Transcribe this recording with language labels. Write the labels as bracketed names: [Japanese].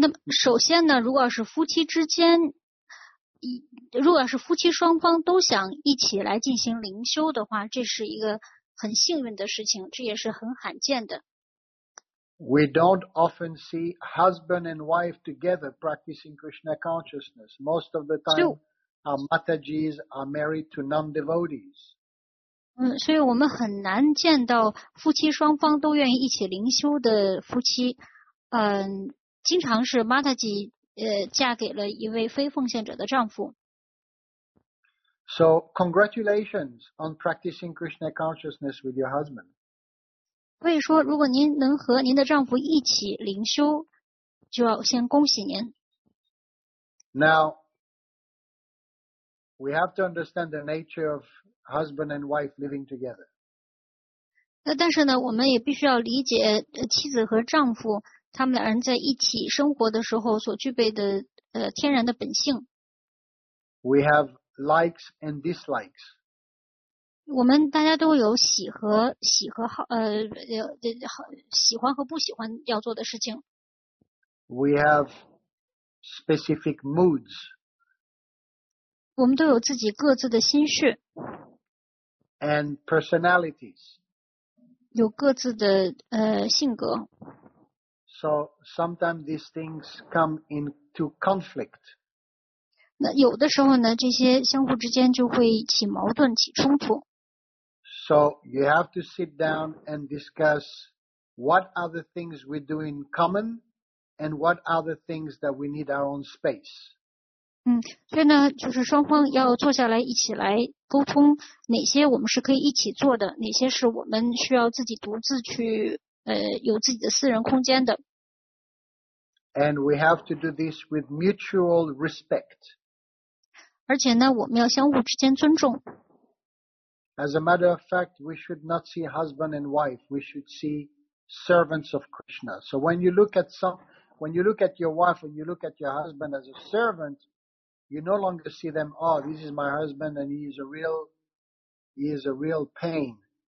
[Chinese] 首先呢，如果是夫妻之间，如果是夫妻双方都想一起来进行灵修的话，这是一个很幸运的事情，这也是很罕见的。 [English] We don't often see husband and wife together practicing Krishna consciousness. Most of the time, our matajis are married to non-devotees. [Chinese] 所以我们很难见到夫妻双方都愿意一起灵修的夫妻。经常是 mataji 嫁给了一位非奉献者的丈夫。 [English] So, congratulations on practicing Krishna consciousness with your husband. [Chinese] 所以说如果您能和您的丈夫一起灵修就要先恭喜您。 [English] Now, we have to understand the nature of husband and wife living together. [Chinese] 但是呢我们也必须要理解妻子和丈夫他们两人在一起生活的时候所具备的天然的本性。 [English] We have likes and dislikes. [Chinese] 我们大家都有喜欢和不喜欢要做的事情。 [English] We have specific moods. [Chinese] 我们都有自己各自的心绪。 [English] And personalities. [Chinese] 有各自的性格。 [English] So sometimes these things come into conflict. [Chinese] 那有的时候呢，这些相互之间就会起矛盾、起冲突。 [English] So you have to sit down and discuss what are the things we do in common, and what are the things that we need our own space. [Chinese] 所以呢，就是双方要坐下来一起来沟通，哪些我们是可以一起做的，哪些是我们需要自己独自去。有自己的私人空间的。 [English] And we have to do this with mutual respect. [Chinese] 而且呢，我们要相互之间尊重。 [English] As a matter of fact, we should not see husband and wife. We should see servants of Krishna. So when you look at your wife and you look at your husband as a servant, you no longer see them. Oh, this is my husband, and he is a real pain.